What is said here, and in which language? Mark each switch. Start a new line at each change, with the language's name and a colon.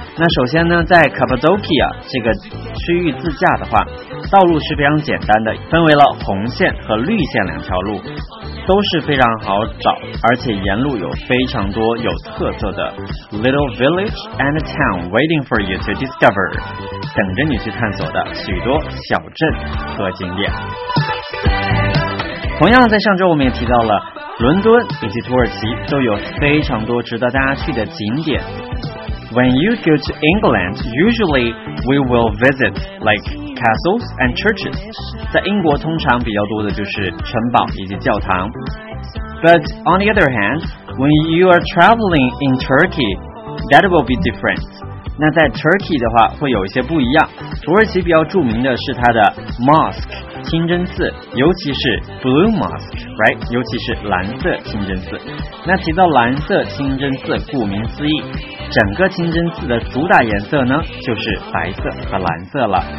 Chinese: 那首先呢，在 Cappadocia 这个区域自驾的话，道路是非常简单的，分为了红线和绿线两条路，都是非常好找，而且沿路有非常多有特色的
English: little village and town waiting for you to discover，
Chinese: 等着你去探索的许多小镇和景点。同样在上周我们也提到了伦敦以及土耳其都有非常多值得大家去的景点。
English: When you go to England, usually we will visit like castles and churches.
Chinese: 在英国通常比较多的就是城堡以及教堂。
English: But on the other hand, when you are traveling in Turkey, that will be different.
Chinese: 那在 Turkey 的话会有一些不一样。土耳其比较著名的是它的 mosque清真寺，尤其是
English: blue mosque，
Chinese: right， 尤其是蓝色清真寺。那提到蓝色清真寺，顾名思义，整个清真寺的主打颜色呢就是白色和蓝色了。